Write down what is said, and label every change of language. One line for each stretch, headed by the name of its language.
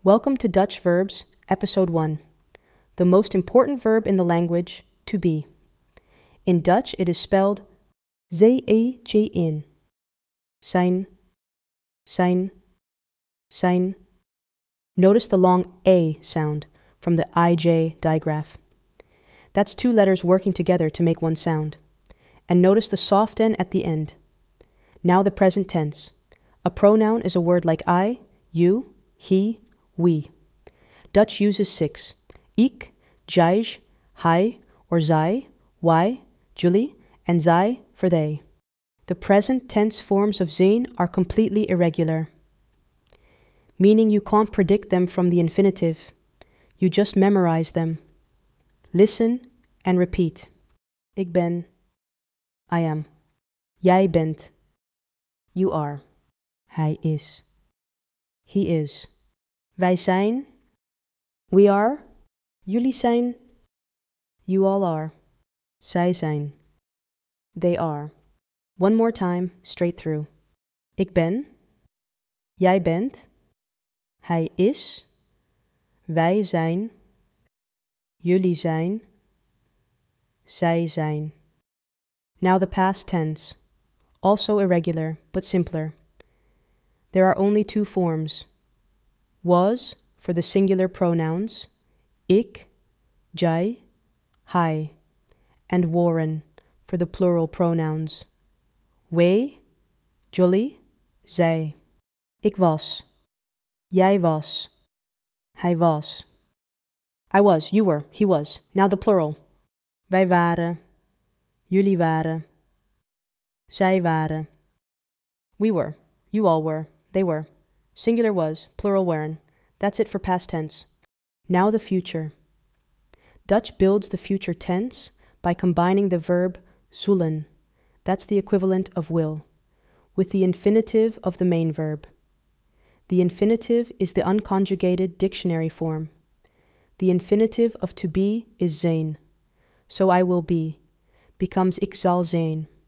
English: Welcome to Dutch Verbs, Episode 1, the most important verb in the language, to be. In Dutch, it is spelled zijn.
Dutch: Zijn, zijn, zijn.
English: Notice the long A sound from the IJ digraph. That's two letters working together to make one sound. And notice the soft N at the end. Now the present tense. A pronoun is a word like I, you, he, we. Dutch uses six.
Dutch: Ik, jij, hij, or zij, wij, jullie, and zij for they.
English: The present tense forms of zijn are completely irregular, meaning you can't predict them from the infinitive. You just memorize them. Listen and repeat.
Dutch: Ik ben.
English: I am.
Dutch: Jij bent.
English: You are.
Dutch: Hij is.
English: He is.
Dutch: Wij zijn,
English: we are,
Dutch: jullie zijn,
English: you all are,
Dutch: zij zijn,
English: they are. One more time, straight through.
Dutch: Ik ben, jij bent, hij is, wij zijn, jullie zijn, zij zijn.
English: Now the past tense, also irregular, but simpler. There are only two forms. Was for the singular pronouns, ik, jij, hij, and waren for the plural pronouns, wij, jullie, zij.
Dutch: Ik was, jij was, hij was.
English: I was, you were, he was. Now the plural.
Dutch: Wij waren, jullie waren, zij waren.
English: We were, you all were, they were. Singular was, plural waren. That's it for past tense. Now the future. Dutch builds the future tense by combining the verb zullen, that's the equivalent of will, with the infinitive of the main verb. The infinitive is the unconjugated dictionary form. The infinitive of to be is zijn. So I will be becomes
Dutch: ik zal zijn.